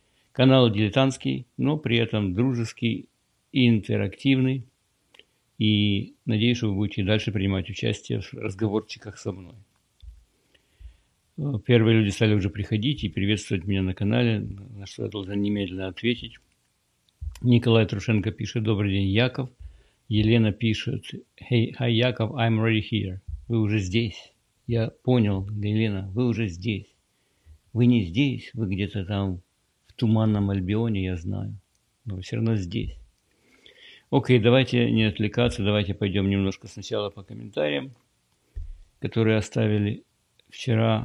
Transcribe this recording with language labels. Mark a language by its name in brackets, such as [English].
[Russian] Канал дилетантский, но при этом дружеский и интерактивный. И надеюсь, что вы будете дальше принимать участие в разговорчиках со мной. Первые люди стали уже приходить и приветствовать меня на канале, на что я должен немедленно ответить. Николай Трушенко пишет: «Добрый день, Яков». Елена пишет: [English] «Hey, hi, Яков, I'm already here». [Russian] Вы уже здесь. Я понял, Елена, вы уже здесь. Вы не здесь, вы где-то там в туманном Альбионе, я знаю. Но вы все равно здесь. Окей, давайте не отвлекаться, давайте пойдем немножко сначала по комментариям, которые оставили вчера.